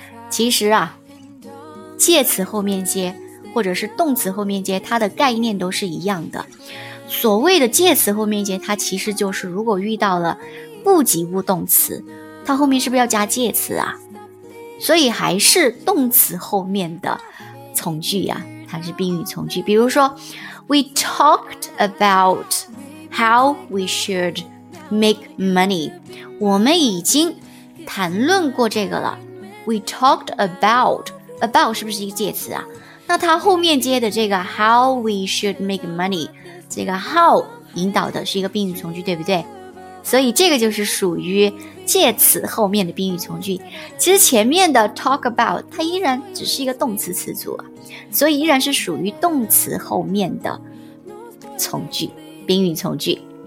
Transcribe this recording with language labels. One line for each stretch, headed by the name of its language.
Chinese: 其实啊，介词后面接或者是动词后面接，它的概念都是一样的。所谓的介词后面接，它其实就是如果遇到了不及物动词，它后面是不是要加介词啊？所以还是动词后面的从句啊，它是宾语从句。比如说
English: We talked about how we should make money，
Chinese: 我们已经谈论过这个了。
English: We talked aboutabout
Chinese: 是不是一个介词啊？那它后面接的这个
English: how we should make money，
Chinese: 这个 how 引导的是一个宾语从句，对不对？所以这个就是属于介词后面的宾语从句。其实前面的 talk about 它依然只是一个动词词组啊，所以依然是属于动词后面的从句，宾语从句。